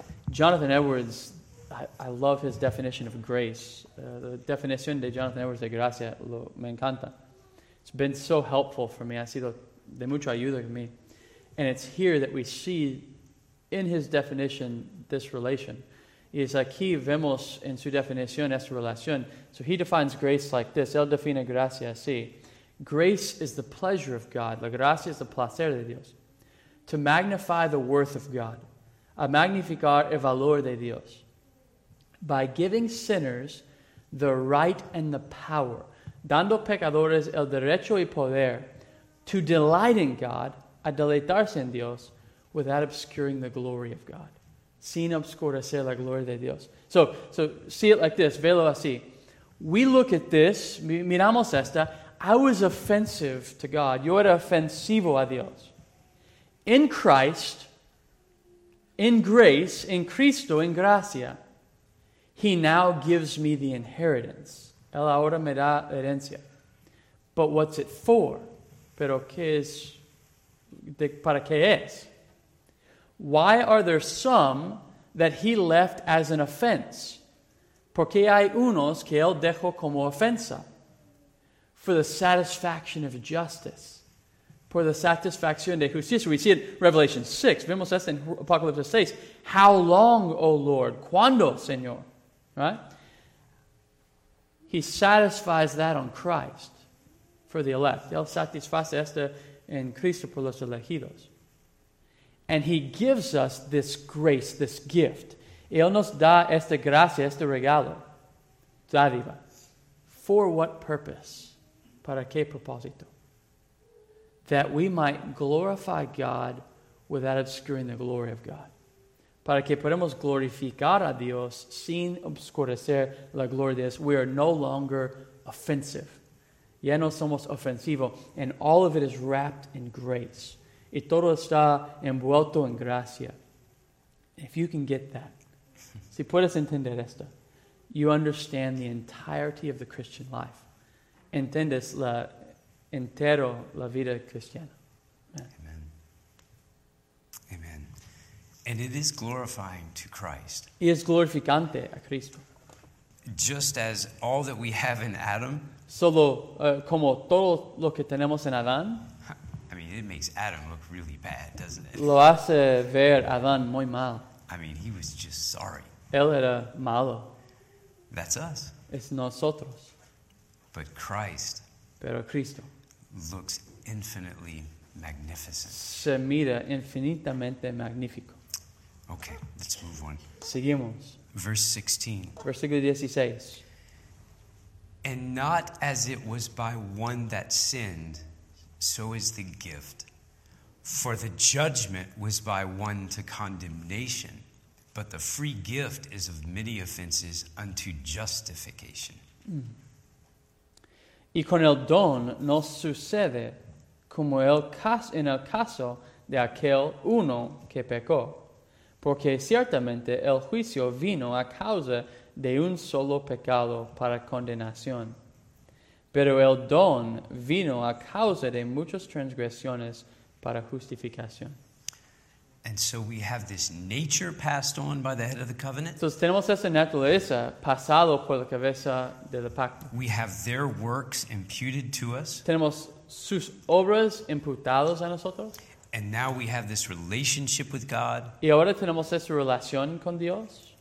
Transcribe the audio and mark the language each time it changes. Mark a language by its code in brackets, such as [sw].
[en] Jonathan Edwards, I love his definition of grace. [es] The definición de Jonathan Edwards de gracia, me encanta. [en] It's been so helpful for me. [es] Ha sido de mucha ayuda para mí. [en] And it's here that we see in his definition, this relation. [es] Y es aquí vemos en su definición esta relación. [en] So he defines grace like this. [es] Él define gracia así. [en] Grace is the pleasure of God. [es] La gracia es el placer de Dios. [en] To magnify the worth of God. [es] A magnificar el valor de Dios. [en] By giving sinners the right and the power. [es] Dando pecadores el derecho y poder. [en] To delight in God. [es] A deleitarse en Dios. [en] Without obscuring the glory of God. [es] Sin obscurecer la gloria de Dios. [en] So see it like this. [es] Velo así. [en] We look at this. [es] Miramos esta. [en] I was offensive to God. [es] Yo era ofensivo a Dios. [en] In Christ. In grace. [es] In Cristo. In gracia. [en] He now gives me the inheritance. [es] Él ahora me da herencia. [en] But what's it for? [es] Pero qué es. Para qué es. [en] Why are there some that he left as an offense? [es] Porque hay unos que él dejó como ofensa. [en] For the satisfaction of justice. [es] Por la satisfacción de justicia. [en] We see it in Revelation 6. [es] Vemos esto en Apocalipsis 6. [en] How long, O Lord? [es] ¿Cuándo, Señor? [en] Right? He satisfies that on Christ for the elect. [es] Él satisface esto en Cristo por los elegidos. [en] And he gives us this grace, this gift. [es] Él nos da esta gracia, este regalo. Dádiva. [en] For what purpose? [es] Para qué propósito? [en] That we might glorify God without obscuring the glory of God. [es] Para que podamos glorificar a Dios sin obscurecer la gloria de Dios. [en] We are no longer offensive. [es] Ya no somos ofensivo. [en] And all of it is wrapped in grace. [es] Y todo está envuelto en gracia. [en] If you can get that, [es] si puedes entender esto, [en] you understand the entirety of the Christian life. [es] Entiendes la entero la vida cristiana. [en] Amen. Amen. And it is glorifying to Christ. [es] Y es glorificante a Cristo. [en] Just as all that we have in Adam. [es] Solo como todo lo que tenemos en Adán. [en] I mean, it makes Adam look really bad, doesn't it? [es] Lo hace ver Adán muy mal. [en] I mean, he was just sorry. [es] Él era malo. [en] That's us. [es] Es nosotros. [en] But Christ. [es] Pero Cristo. [en] Looks infinitely magnificent. [es] Se mira infinitamente magnífico. [en] Okay, let's move on. [es] Seguimos. [en] Verse 16. [es] Versículo 16. [en] And not as it was by one that sinned, so is the gift. For the judgment was by one to condemnation, but the free gift is of many offenses unto justification. Mm. [es] Y con el don no sucede como en el caso de aquel uno que pecó, porque ciertamente el juicio vino a causa de un solo pecado para condenación. Pero el don vino a causa de muchas transgresiones para justificación. [en] And so we have this nature passed on by the head of the covenant. [es] Entonces tenemos esa naturaleza pasado por la cabeza del pacto. [en] We have their works imputed to us. [es] Tenemos sus obras imputadas a nosotros. [en] And now we have this relationship with God. [es] Y ahora tenemos esa relación con Dios.